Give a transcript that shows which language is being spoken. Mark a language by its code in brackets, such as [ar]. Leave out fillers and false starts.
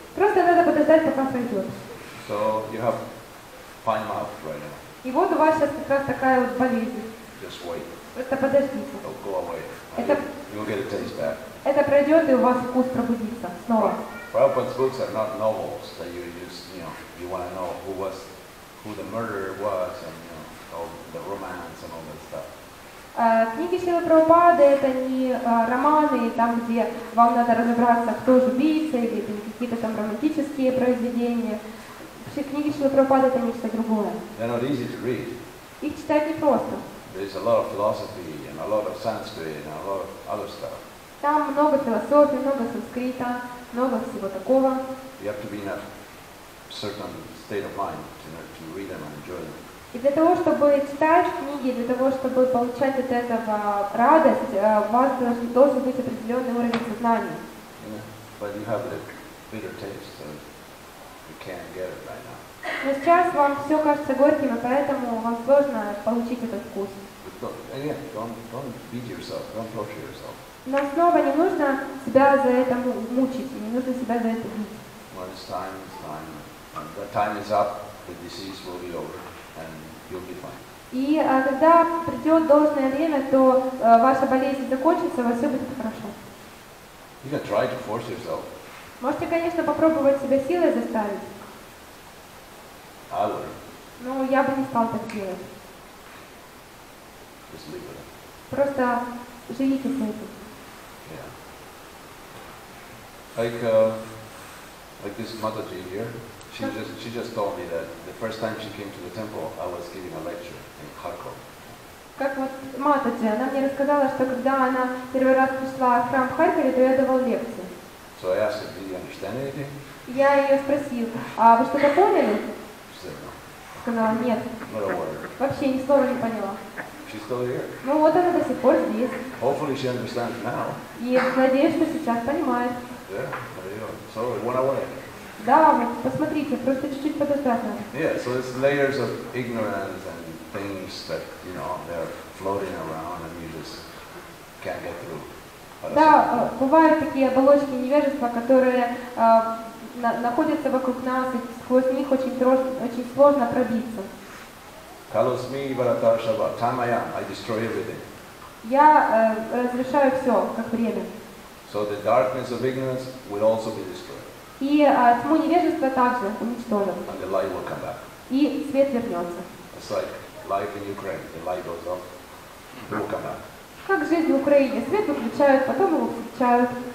[ru] Просто надо подождать, пока пройдет. [en] So you have pine mouth right now. [ru] И вот у вас сейчас как раз такая вот болезнь. [en] Just wait. [ru] Просто подождите. [en] Don't go away. You'll get a taste back. [ru] Это пройдет, и у вас вкус пробудится снова. [en] Prabhupada's books are not novels that you use, you know, you want to know who was. Who the murderer was and you know, all the romance and all that stuff. [ru] Книги Шрилы Прабхупады это не романы, там где вам надо разобраться, кто же убийца или какие-то там романтические произведения. Все книги Шрилы Прабхупады это нечто другое. [en] They're not easy to read. [ru] Их читать непросто. [en] There's a lot of philosophy and a lot of Sanskrit and a lot of other stuff. [ru] Там много философии, много санскрита, много всего такого. [en] You have to be in a certain state of mind to read them and enjoy them. [ru] И для того, чтобы читать книги, для того, чтобы получать от этого радость, у вас должен быть определенный уровень сознания. [en] Yeah, but you have the bitter taste, so you can't get it right now. [ru] Но сейчас вам все кажется горьким, и поэтому вам сложно получить этот вкус. [en] Don't beat yourself, don't torture yourself. [ru] Но снова не нужно себя за это мучить, не нужно себя за это бить. [en] Well, it's time. The time is up, the disease will be over, and you'll be fine. [ru] И когда придет должное время, то ваша болезнь закончится, у вас все будет хорошо. [en] You can try to force yourself. [ru] Можете, конечно, попробовать себя силой заставить. [en] I would. [ru] Но я бы не стал так делать. [en] Just leave it. [ru] Просто живите с этим. [en] Yeah. Like this Mataji here. She just told me that the first time she came to the temple, I was giving a lecture in Kharkov. [ru] Как вот Матаджи, она мне рассказала, что когда она первый раз пришла в храм в Харькове, то я давал лекции. [en] So I asked, did you understand anything? [ru] Я ее спросил, а вы что-то поняли? [en] She said, no. [ru] Сказала, нет. [en] Not a word. [ru] Вообще ни слова не поняла. [en] She's still here. [ru] Ну вот она до сих пор здесь. [en] Hopefully she understands now. [ru] И надеюсь, что сейчас понимает. [en] Yeah, there you go. So it went away. [ru] Да, вот посмотрите, просто чуть-чуть подождать надо. [en] Yeah, so it's layers of ignorance and things that, you know, they're floating around and you just can't get through. [ru] Да, бывают такие оболочки невежества, которые находятся вокруг нас, и сквозь них очень сложно пробиться. [sa] Kalosmi Varatarshava, [en] time I am, I destroy everything. [ru] Я разрешаю все, как время. [en] So the darkness of ignorance will also be destroyed. [ru] И тьму невежества также уничтожим. [en] And the light will come back. [ru] И свет вернется. [en] It's like life in Ukraine. The light goes off. It will come back. [ru] Как жизнь в Украине? Свет выключают, потом его включают.